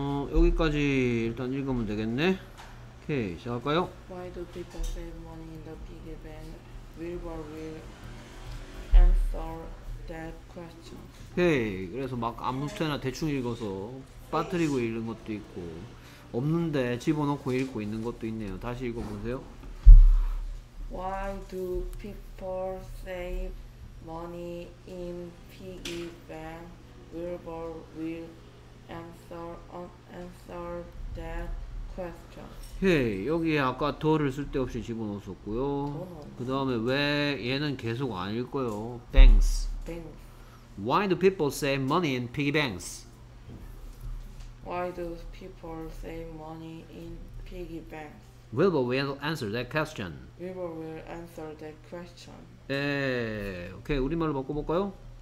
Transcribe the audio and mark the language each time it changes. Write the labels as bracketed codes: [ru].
[ko] 여기까지 일단 읽으면 되겠네. 오케이, 시작할까요? [en] Why do people save money in the piggy bank? Wilbur will answer that question. [ko] 오케이, 그래서 막 아무테나 대충 읽어서 빠뜨리고 읽는 것도 있고, 없는데 집어넣고 읽고 있는 것도 있네요. 다시 읽어보세요. [en] Why do people save money in piggy bank? Wilbur will answer that question. [ko] 오케이, 여기에 아까 더를 쓸데없이 집어넣었었고요. 더는 그 다음에 왜 얘는 계속 안 읽어요? [en] Banks. [ko] 없어. [en] Why do people save money in piggy banks? Why do people save money in piggy banks? Wilbur will answer that question. Wilbur will answer that question. [ko] 에, 오케이, 우리말로 바꿔볼까요?